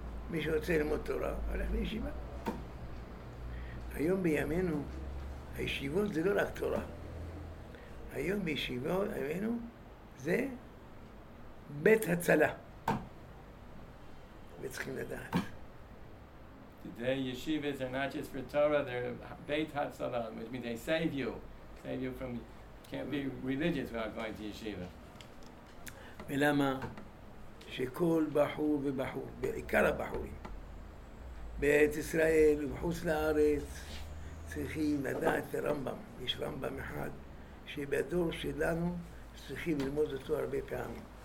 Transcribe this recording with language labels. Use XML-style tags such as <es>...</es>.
<he>מי שרוצה ללמוד תורה, הולך לישיבה. היום בימינו, הישיבות זה לא רק תורה. היום בישיבות, הימינו, זה בית הצלה. וצריכים לדעת.</he> <en>The yeshivas are not just for Torah, they're Beit Hatzalah, which means they save you. Save you from, can't be religious without going to yeshiva.</en> <he>ולמה שכל בחור ובחור, בעיקר הבחורים, בארץ ישראל ובחוץ לארץ, צריכים לדעת רמב״ם. יש רמב״ם אחד שבדור שלנו צריכים ללמוד אותו הרבה פעמים.</he>